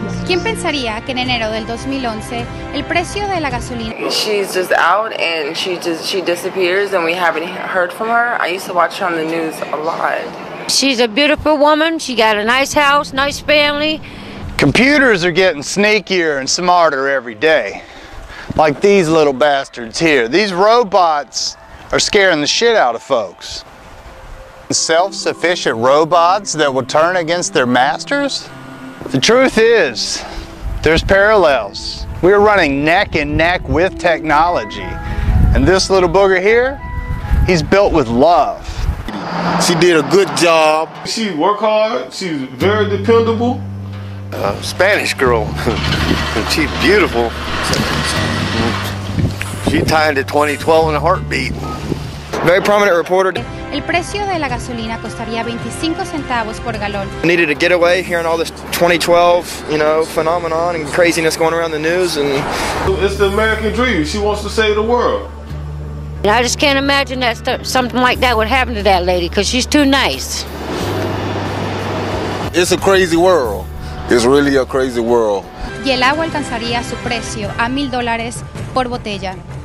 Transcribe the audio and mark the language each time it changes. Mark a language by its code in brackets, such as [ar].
[es] ¿Quién pensaría que en enero del 2011 el precio de la gasolina? [en] She's just out and she disappears and we haven't heard from her. I used to watch her on the news a lot. She's a beautiful woman. She got a nice house, nice family. Computers are getting sneakier and smarter every day. Like these little bastards here. These robots are scaring the shit out of folks. Self-sufficient robots that will turn against their masters? The truth is, there's parallels. We're running neck and neck with technology. And this little booger here, he's built with love. She did a good job. She work hard, she's very dependable. Spanish girl, she's beautiful. She tied to 2012 in a heartbeat. Very prominent reporter. [es] El precio de la gasolina costaría 25 centavos por galón. [en] I needed a getaway hearing all this 2012, you know, phenomenon and craziness going around the news. And it's the American dream. She wants to save the world. And I just can't imagine that something like that would happen to that lady because she's too nice. It's a crazy world. It's really a crazy world. [es] Y el agua alcanzaría su precio a $1,000 por botella.